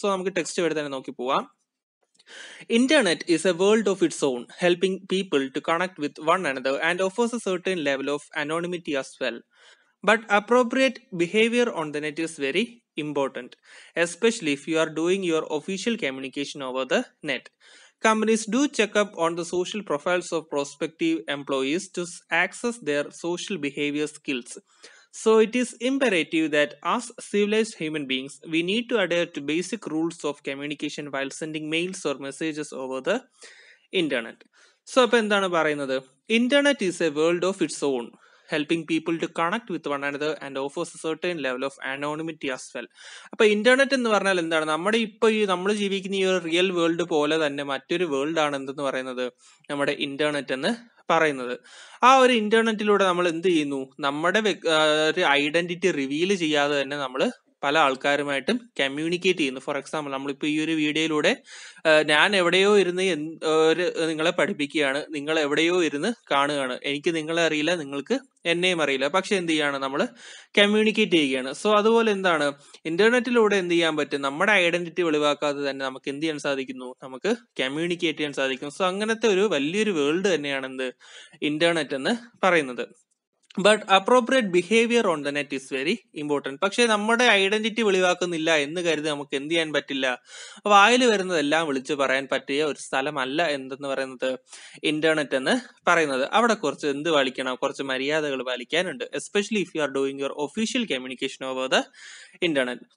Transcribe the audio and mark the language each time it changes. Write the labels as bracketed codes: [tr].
[ml] So നമുക്ക് text word തന്നെ നോക്കി പോവാം. [en] Internet is a world of its own, helping people to connect with one another and offers a certain level of anonymity as well. But appropriate behaviour on the net is very important, especially if you are doing your official communication over the net. Companies do check up on the social profiles of prospective employees to access their social behavior skills. So it is imperative that as civilized human beings, we need to adhere to basic rules of communication while sending mails or messages over the internet. So [ml] appo endanu parayunnathu, [en] internet is a world of its own, helping people to connect with one another and offers a certain level of anonymity as well. [ml] അപ്പോൾ internet എന്ന് പറഞ്ഞാൽ എന്താണ്, നമ്മുടെ ഇപ്പോൾ ഈ നമ്മൾ ജീവിക്കുന്ന ഈ ഒരു റിയൽ വേൾഡ് പോലെ തന്നെ മറ്റൊരു വേൾഡ് ആണ് എന്തെന്ന് പറയുന്നത്, നമ്മുടെ ഇന്റർനെറ്റ് എന്ന് പറയുന്നത്. ആ ഒരു ഇന്റർനെറ്റിലൂടെ നമ്മൾ എന്ത് ചെയ്യുന്നു, നമ്മുടെ ഒരു ഐഡന്റിറ്റി റിവീൽ ചെയ്യാതെ തന്നെ നമ്മൾ പല ആൾക്കാരുമായിട്ടും കമ്മ്യൂണിക്കേറ്റ് ചെയ്യുന്നു. ഫോർ എക്സാമ്പിൾ, നമ്മളിപ്പോൾ ഈ ഒരു വീഡിയോയിലൂടെ ഞാൻ എവിടെയോ ഇരുന്ന് ഒരു നിങ്ങളെ പഠിപ്പിക്കുകയാണ്, നിങ്ങൾ എവിടെയോ ഇരുന്ന് കാണുകയാണ്, എനിക്ക് നിങ്ങളെ അറിയില്ല, നിങ്ങൾക്ക് എന്നെയും അറിയില്ല, പക്ഷെ എന്ത് ചെയ്യാണ്, നമ്മൾ കമ്മ്യൂണിക്കേറ്റ് ചെയ്യുകയാണ്. സോ അതുപോലെ എന്താണ്, ഇന്റർനെറ്റിലൂടെ എന്ത് ചെയ്യാൻ പറ്റും, നമ്മുടെ ഐഡന്റിറ്റി വെളിവാക്കാതെ തന്നെ നമുക്ക് എന്ത് ചെയ്യാൻ സാധിക്കുന്നു, നമുക്ക് കമ്മ്യൂണിക്കേറ്റ് ചെയ്യാൻ സാധിക്കും. സോ അങ്ങനത്തെ ഒരു വലിയൊരു വേൾഡ് തന്നെയാണ് എന്ത് ഇന്റർനെറ്റ് എന്ന് പറയുന്നത്. [en] But appropriate behavior on the net is very important. [ml] പക്ഷേ നമ്മുടെ ഐഡന്റിറ്റി വെളിവാക്കുന്നില്ല എന്ന് കരുതി നമുക്ക് എന്ത് ചെയ്യാൻ പറ്റില്ല, വായിൽ വരുന്നതെല്ലാം വിളിച്ച് പറയാൻ പറ്റിയ ഒരു സ്ഥലമല്ല എന്തെന്ന് പറയുന്നത് ഇന്റർനെറ്റ് എന്ന് പറയുന്നത്. അവിടെ കുറച്ച് എന്ത് പാലിക്കണം, കുറച്ച് മര്യാദകൾ പാലിക്കാനുണ്ട്, [en] Especially if you are doing your official communication over the internet.